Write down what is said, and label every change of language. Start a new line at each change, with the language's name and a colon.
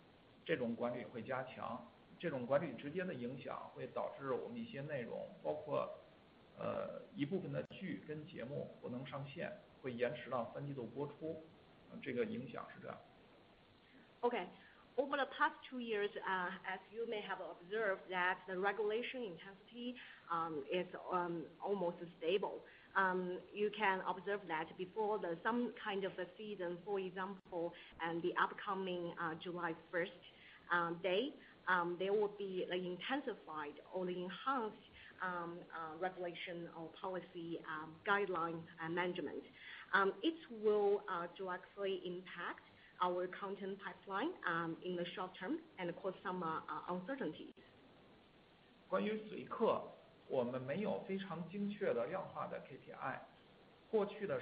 Chinese: 我来回答问题，我是爱奇艺CEO龚宇。第一个问题，关于政策监管，最近两年政策监管的尺度程度已经成比较平稳的状态，但是这个因为按照常规的管理，重大节假日之前会加强管理，这是一个常规型的管理的一种方式，所以在7月1号之前，这种管理会加强。这种管理直接的影响会导致我们一些内容，包括一部分的剧跟节目不能上线，会延迟到三季度播出，这个影响是这样。Okay,
English: over the past 2 years, as you may have observed, that the regulation intensity is almost stable. You can observe that before the some kind of a season, for example, and the upcoming July 1st day. There will be the intensified or the enhanced regulation or policy guideline and management. It will directly impact our content pipeline in the short term and cause some uncertainties.
Chinese: 关于水课，我们没有非常精确的量化的 KPI.